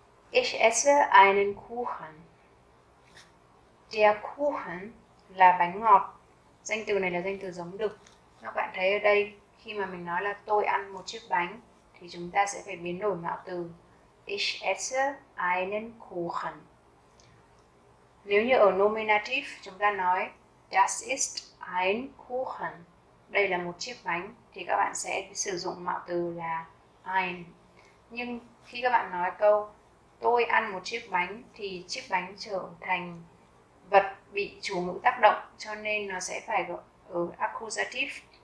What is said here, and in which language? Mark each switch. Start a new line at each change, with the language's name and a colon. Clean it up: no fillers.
German: Ich esse einen Kuchen. Der Kuchen
Vietnamese: là bánh ngọt. Danh từ này là danh từ giống đực. Các bạn thấy ở đây khi mà mình nói là tôi ăn một chiếc bánh thì chúng ta sẽ phải biến đổi mạo từ
German: Ich esse einen Kuchen.
Vietnamese: Nếu như ở nominative chúng ta nói
German: Das ist ein Kuchen.
Vietnamese: Đây là một chiếc bánh thì các bạn sẽ sử dụng mạo từ là ein. Nhưng khi các bạn nói câu tôi ăn một chiếc bánh thì chiếc bánh trở thành vật bị chủ ngữ tác động cho nên nó sẽ phải ở accusative.